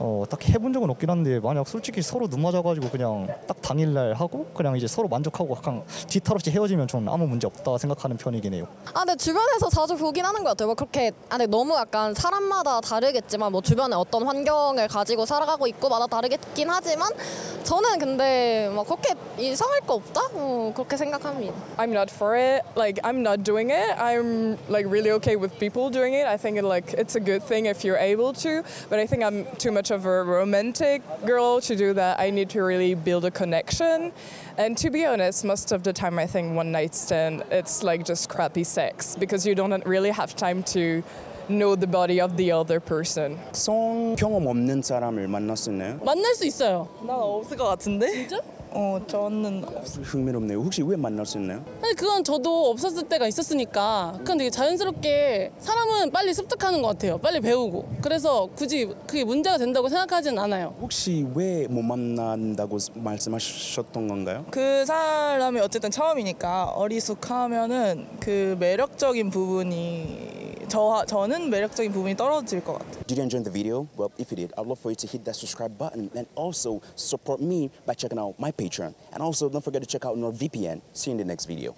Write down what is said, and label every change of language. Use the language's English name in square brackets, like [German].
[Korean] 딱 해본 적은 없긴 한데 만약 솔직히 서로 눈 맞아가지고 그냥 딱 당일날 하고 그냥 이제 서로 만족하고 약간 뒤탈 없이 헤어지면 저는 아무 문제 없다 생각하는 편이긴 해요. 아, 근데 주변에서 자주 보긴 하는 것 같아요. 뭐 그렇게 근데 너무 약간 사람마다 다르겠지만 뭐 주변에 어떤 환경을 가지고 살아가고 있고마다 다르겠긴 하지만 저는 근데 막 그렇게 이상할 거 없다? 그렇게 생각합니다. [English] I'm not for it. Like I'm not doing it. I'm like really okay with people doing it. I think it, like it's a good thing if you're able to, but I think I'm too much of a romantic girl to do that. I need to really build a connection, and to be honest, most of the time I think one night stand it's like just crappy sex because you don't really have time to know the body of the other person. [Korean] 성 경험 없는 사람을 만났었나요? 만날 수 있어요. 난 없을 것 같은데. 진짜? 어 저는 흥미롭네요. 혹시 왜 만날 수 있나요? 아니 그건 저도 없었을 때가 있었으니까. 그건 되게 자연스럽게 사람은 빨리 습득하는 것 같아요. 빨리 배우고. 그래서 굳이 그게 문제가 된다고 생각하진 않아요. 혹시 왜 못 만난다고 말씀하셨던 건가요? 그 사람이 어쨌든 처음이니까 어리숙하면은 그 매력적인 부분이 저는 매력적인 부분이 떨어질 것 같아요. [English] Did you enjoy the video? Well, if you did, I'd love for you to hit that subscribe button and also support me by checking out my Patreon. And also, don't forget to check out NordVPN. See you in the next video.